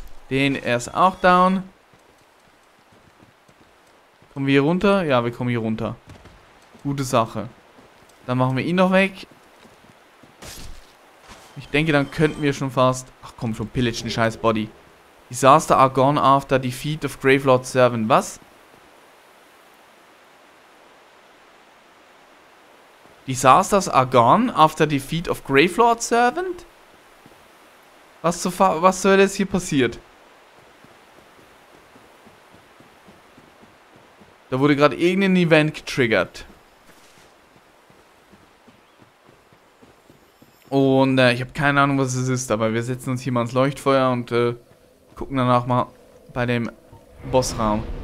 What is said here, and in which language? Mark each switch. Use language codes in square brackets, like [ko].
[de] Den erst auch down. Kommen wir hier runter? Ja, wir kommen hier runter. Gute Sache. Dann machen wir ihn noch weg. Ich denke, dann könnten wir schon fast... Ach komm schon, pillage den scheiß Body. [en] Disaster are gone after defeat of Gravelord Servant. [de] Was? [en] Disasters are gone after defeat of Gravelord Servant? [de] Was soll jetzt hier passiert? Da wurde gerade irgendein Event getriggert. Und ich habe keine Ahnung, was es ist, aber wir setzen uns hier mal ins Leuchtfeuer und gucken danach mal bei dem Bossraum.